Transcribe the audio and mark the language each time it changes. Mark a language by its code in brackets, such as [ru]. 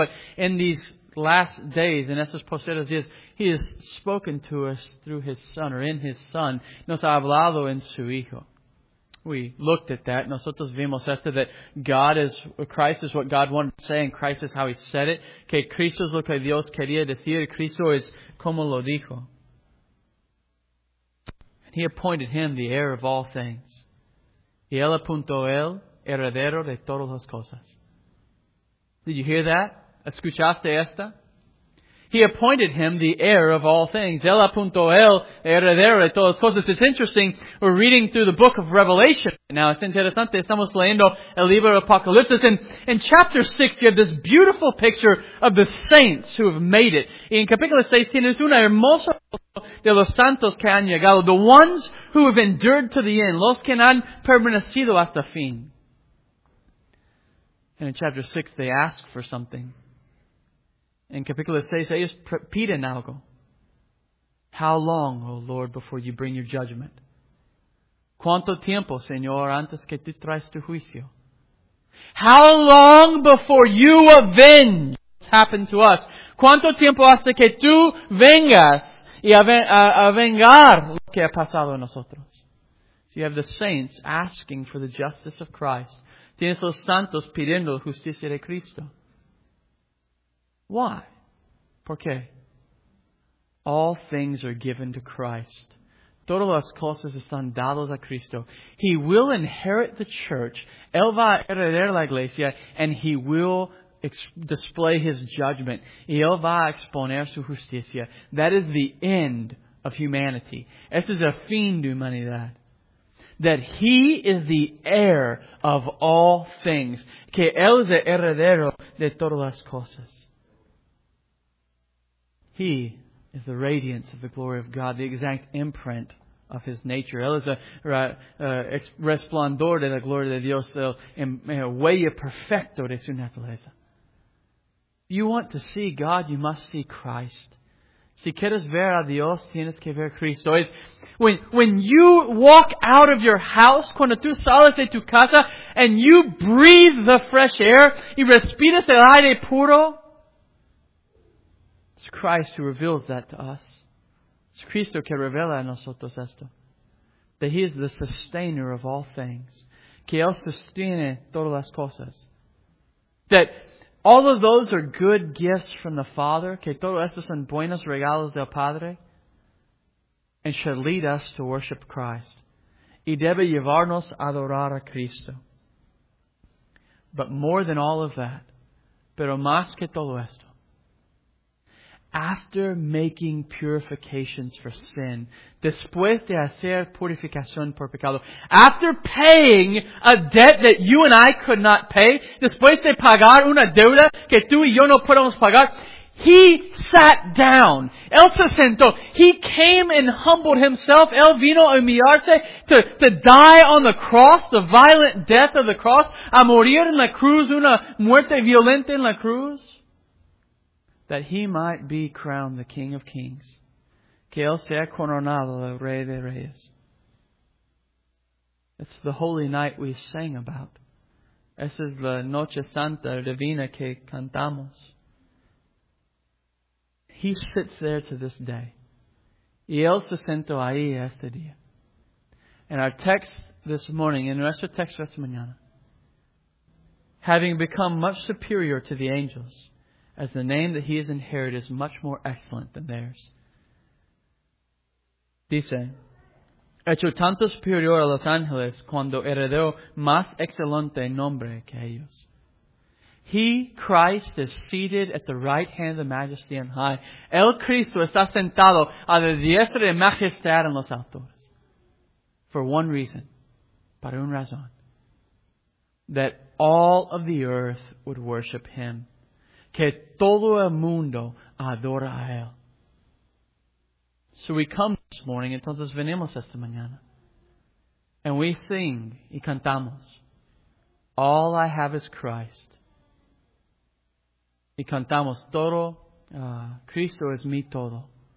[en] But in these last days, [es] en estos posteriores días, [en] He has spoken to us through His Son, or in His Son. [es] Nos ha hablado en su Hijo. [en] We looked at that. [es] Nosotros vimos esto, [en] that God is, Christ is what God wanted to say, and Christ is how He said it. [es] Que Cristo es lo que Dios quería decir. Cristo es como lo dijo. [en] And He appointed Him the heir of all things. [es] Y Él apuntó Él, heredero de todas las cosas. [en] Did you hear that? [es] ¿Escuchaste esta? [en] He appointed Him the heir of all things. [es] Él apuntó Él, heredero de todas las cosas. [en] It's interesting, we're reading through the book of Revelation. [es] Now, es interesante, estamos leyendo el libro de Apocalipsis. [en] And in chapter 6, you have this beautiful picture of the saints who have made it. [es] Y en capítulo 6, tienes una hermosa foto de los santos que han llegado. [en] The ones who have endured to the end. [es] Los que han permanecido hasta fin. [en] And in chapter 6, they ask for something. [es] In capítulo 6, ellos piden algo. [en] How long, O Lord, before you bring your judgment? [es] ¿Cuánto tiempo, Señor, antes que tú traes tu juicio? [en] How long before you avenge what happened to us? [es] ¿Cuánto tiempo hasta que tú vengas y a vengar lo que ha pasado a nosotros? [en] So you have the saints asking for the justice of Christ. [es] Tienes los santos pidiendo justicia de Cristo. Why? ¿Por qué? [en] All things are given to Christ. [es] Todas las cosas están dadas a Cristo. [en] He will inherit the church. [es] Él va a heredar la iglesia. [en] And He will display His judgment. [es] Y Él va a exponer su justicia. [en] That is the end of humanity. [es] Este es el fin de humanidad. [en] That He is the heir of all things. [es] Que Él es el heredero de todas las cosas. [en] He is the radiance of the glory of God, the exact imprint of His nature. [es] Él es el resplandor de la gloria de Dios, el huella perfecto de su naturaleza. [en] If you want to see God, you must see Christ. [es] Si quieres ver a Dios, tienes que ver a Cristo. [en] When you walk out of your house, [es] cuando tú sales de tu casa, [en] and you breathe the fresh air, [es] y respiras el aire puro, [en] it's Christ who reveals that to us. [es] It's Cristo que revela a nosotros esto. [en] That He is the sustainer of all things. [es] Que Él sostiene todas las cosas. [en] That all of those are good gifts from the Father. [es] Que todos estos son buenos regalos del Padre. [en] And should lead us to worship Christ. [es] Y debe llevarnos a adorar a Cristo. [en] But more than all of that, [es] pero más que todo esto, [en] after making purifications for sin, [es] después de hacer purificación por pecado, [en] after paying a debt that you and I could not pay, [es] después de pagar una deuda que tú y yo no podemos pagar, [en] He sat down. [es] Él se sentó. [en] He came and humbled Himself. [es] Él vino a humillarse [en] to die on the cross, the violent death of the cross, [es] a morir en la cruz, una muerte violenta en la cruz, [en] that He might be crowned the King of Kings. [es] Que Él sea coronado el Rey de Reyes. [en] It's the holy night we sang about. [es] Esa es la noche santa divina que cantamos. [en] He sits there to this day. [es] Y Él se sentó ahí este día. [en] And our text this morning, [es] in nuestro text de esta mañana, [en] having become much superior to the angels, as the name that He has inherited is much more excellent than theirs. [es] Dice, hecho tanto superior a los ángeles cuando heredó más excelente nombre que ellos. [en] He, Christ, is seated at the right hand of the majesty on high. [es] El Cristo está sentado a la diestra de majestad en los altos. [en] For one reason. [es] Para una razón. [en] That all of the earth would worship Him. [es] Que todo el mundo adora a Él. [en] So we come this morning, [es] entonces venimos esta mañana. [en] And we sing [es] y cantamos. [en] All I have is Christ. [es] Y cantamos todo, Cristo es mi todo.